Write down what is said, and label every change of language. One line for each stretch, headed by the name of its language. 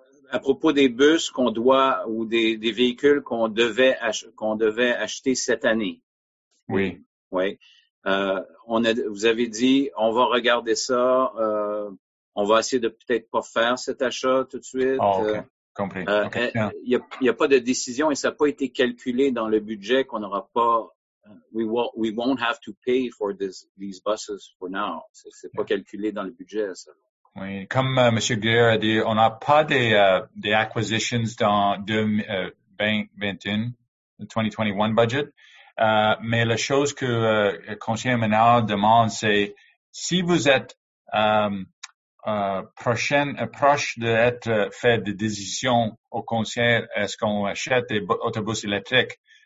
French: à propos des bus qu'on doit ou des véhicules qu'on devait acheter cette année. Oui. Oui. Vous avez dit, on va regarder ça. On va essayer de peut-être pas faire cet achat tout de suite. Oh, okay. Compris. Il y a pas de décision et ça n'a pas été calculé dans le budget qu'on n'aura pas.
English: We won't have to pay for these buses for now.
French: C'est pas calculé dans le budget, ça. Oui, comme M. Guerre a dit, on n'a pas des acquisitions dans 2021 budget. Mais la chose que le conseiller Ménard demande, c'est si vous êtes proche d'être fait des décisions au conseil, est-ce qu'on achète des autobus électriques?